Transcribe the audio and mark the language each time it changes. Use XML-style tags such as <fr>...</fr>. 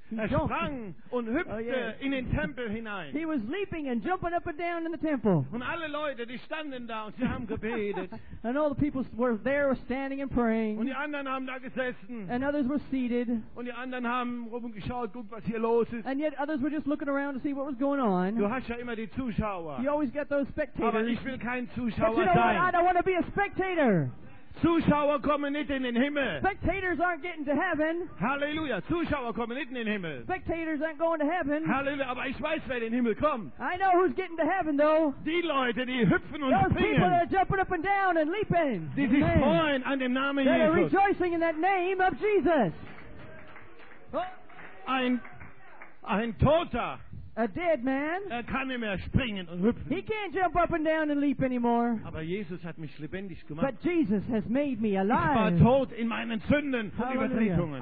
<de>Er sprang und hüpfte in den Tempel hinein.</de> <en>He was leaping and jumping up and down in the temple.</en> <de>Und alle Leute, die standen da und sie haben gebetet.</de> <en>And all the people were there standing and praying.</en> <de>Und die anderen haben da gesessen.</de> <en>And others were seated.</en> <de>Und die anderen haben rumgeschaut, guck, was hier los ist.</de> <en>And yet others were just looking around to see what was going on.</en> <de>Du hast ja immer die Zuschauer.</de> <en>You always get those spectators.</en> <de>Aber ich will kein Zuschauer sein.</de> <en>But you know what? I don't want to be a spectator.</en> <de>Zuschauer kommen nicht in den Himmel.</de> <en>Spectators aren't getting to heaven.</en> <de>Hallelujah. Zuschauer kommen nicht in den Himmel.</de> <en>Spectators aren't going to heaven. Hallelujah.</en> <de>Aber ich weiß, wer in den Himmel kommt.</de> <en>I know who's getting to heaven, though.</en> <de>Die Leute, die hüpfen und</de> <en>those</en> <de>springen.</de> <en>Those people are jumping up and down and leaping.</en> <de>Die sich freuen an dem Namen Jesus.</de> <en>They are rejoicing in that name of Jesus.</en> <de>Ein Toter.</de> <en>A dead man.</en> <de>Er kann nicht mehr springen und hüpfen.</de> <en>He can't jump up and down and leap anymore.</en> <de>Aber Jesus hat mich lebendig gemacht.</de> <en>But Jesus has made me alive.</en> <de>Ich war tot in meinen Sünden und Übertretungen.</de>